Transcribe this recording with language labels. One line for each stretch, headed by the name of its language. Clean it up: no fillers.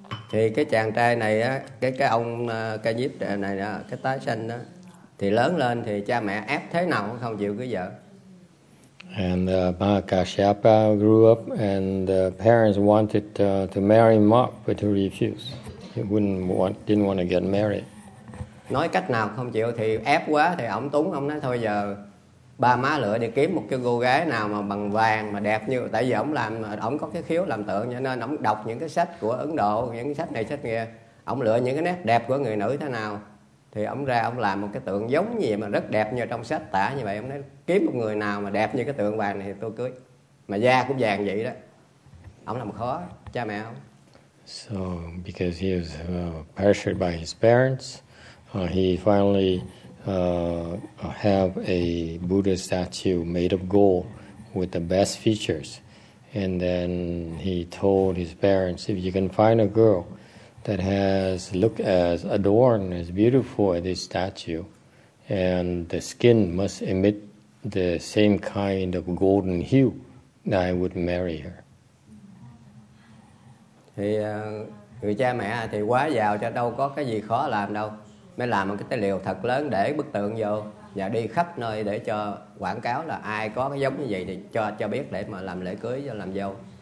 Vietnamese: Thì cái chàng trai này á, cái ông ca nhiếp này á, cái tái sanh á, thì lớn lên thì cha mẹ ép thế nào cũng không chịu cưới vợ.
English: And Mahakashyapa grew up and the parents wanted to marry him off, but he refused. He didn't want to get married.
Vietnamese: Nói cách nào không chịu thì ép quá thì ổng túng, ổng nói thôi giờ ba má lựa đi kiếm một cái cô gái nào mà bằng vàng mà đẹp như, tại vì ổng làm, ổng có cái khiếu làm tượng cho nên ổng đọc những cái sách của Ấn Độ, những cái sách này sách kia, ổng lựa những cái nét đẹp của người nữ thế nào thì ổng ra ổng làm một cái tượng giống như vậy mà rất đẹp như trong sách tả như vậy, ổng nói kiếm một người nào mà đẹp như cái tượng vàng này thì tôi cưới, mà da cũng vàng vậy đó, ổng làm khó cha mẹ ổng.
English: So because he was pressured by his parents, he finally have a Buddha statue made of gold with the best features, and then he told his parents, if you can find a girl that has look as adorned, as beautiful as this statue, and the skin must emit the same kind of golden hue, then I would marry her.
Vietnamese: Thì người cha mẹ thì quá giàu cho đâu có cái gì khó làm đâu, mới làm một cái tài liệu thật lớn để bức tượng vô và đi khắp nơi để cho quảng cáo là ai có cái giống như vậy thì cho biết để mà làm lễ cưới cho làm dâu.